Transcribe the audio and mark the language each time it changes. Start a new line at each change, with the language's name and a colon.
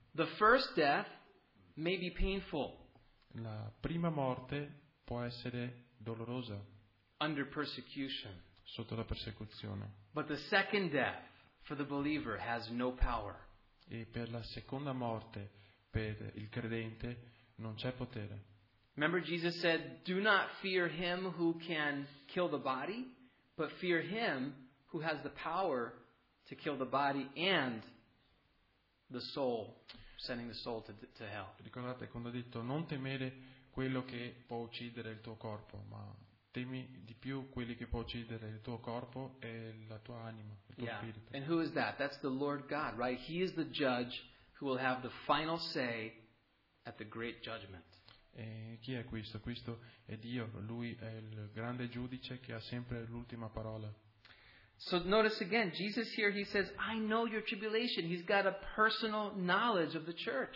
English: The first death may be painful.
Italian: La prima morte può essere dolorosa.
English: Under persecution.
Italian: Sotto la persecuzione.
English: But the second death for the believer has no power.
Italian: E per la seconda morte per il credente non c'è potere.
English: Remember Jesus said, "Do not fear him who can kill the body, but fear him who has the power to kill the body and the soul, sending the soul to hell."
Italian: Ricordate quando ha detto non temere quello che può uccidere il tuo corpo, ma temi di più quelli che può uccidere il tuo corpo e la tua anima, il tuo spirito.
English: And who is that? That's the Lord God, right? He is the judge who will have the final say at the great judgment.
Italian: E chi è questo? Questo è Dio, lui è il grande giudice che ha sempre l'ultima parola.
English: So notice again, Jesus here, he says, I know your tribulation. He's got a personal knowledge of the church.